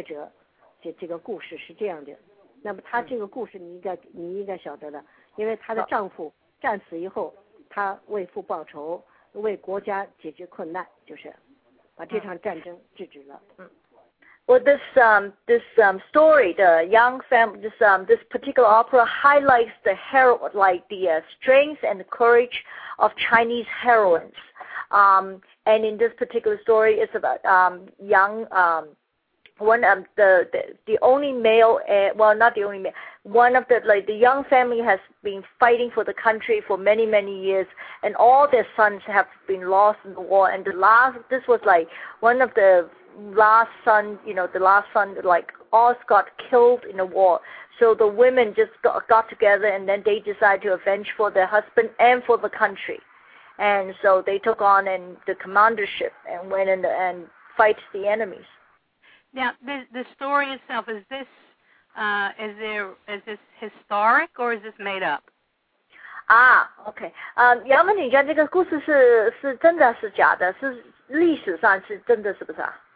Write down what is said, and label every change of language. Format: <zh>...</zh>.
<zh>他像你讲一讲这个故事的里面的故事，这个这出戏是我们民族就是宣扬我们的中国的妇女地位，她是一个爱国的女将啊女英雄，这是我们民族英雄。那么这个戏呢，就是表现我们中国的女英雄打败这个侵略者这个故事是这样的。那么他这个故事你应该晓得的，因为他的丈夫战死以后，他为父报仇，为国家解决困难，就是把这场战争制止了。</zh> <en>Well, this story, the young family, this particular opera highlights the hero, like the strength and the courage of Chinese heroines. And in this particular story, it's about young. One of the young family has been fighting for the country for many, many years, and all their sons have been lost in the war. And the last son, all got killed in the war. So the women just got together, and then they decided to avenge for their husband and for the country. And so they took on and the commandership and went in and fight the enemies. Now, the story itself, is this historic or is this made up? Ah, okay.</en> <zh>杨文女将这个故事是真的是假的，是历史上是真的是不是啊？</zh>